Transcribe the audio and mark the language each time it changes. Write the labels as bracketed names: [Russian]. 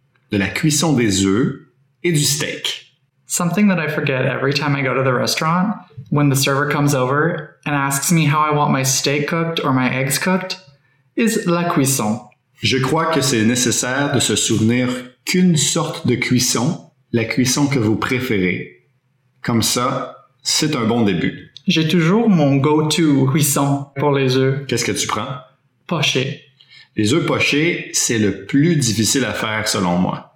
[French] De la cuisson des œufs et du steak. [English] Something that I forget every time I go to the restaurant, when the server comes over and asks me how I want my steak cooked or my eggs cooked, is la cuisson. [French] Je crois que c'est nécessaire de se souvenir qu'une sorte de cuisson, la cuisson que vous préférez. Comme ça, c'est un bon début. J'ai toujours mon go-to cuisson pour les œufs. Qu'est-ce que tu prends? Poché. Les œufs pochés, c'est le plus difficile à faire selon moi.